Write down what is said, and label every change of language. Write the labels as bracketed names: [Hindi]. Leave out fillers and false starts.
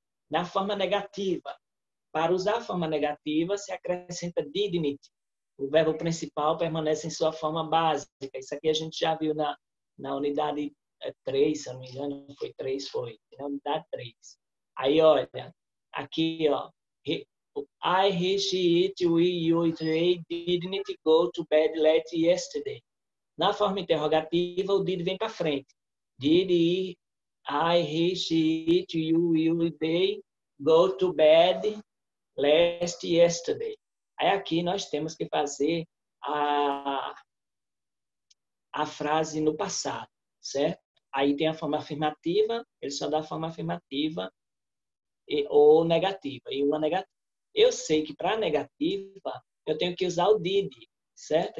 [Portuguese] Na forma negativa, para usar a forma negativa, se acrescenta didn't. O verbo principal permanece em sua forma básica. Isso aqui a gente já viu na unidade 3, se eu não me engano, foi 3, foi. Na unidade 3. Aí, olha, aqui, ó. [English] I, he, she, it, we, you, they didn't go to bed late yesterday. [Portuguese] Na forma interrogativa, o did vem para frente. [English] Did he, I, he, she, it, you, you, they go to bed last yesterday. [Portuguese] Aí, aqui, nós temos que fazer a frase no passado, certo? Aí tem a forma afirmativa, ele só dá a forma afirmativa ou negativa, e uma negativa. Eu sei que para negativa, eu tenho que usar o did, certo?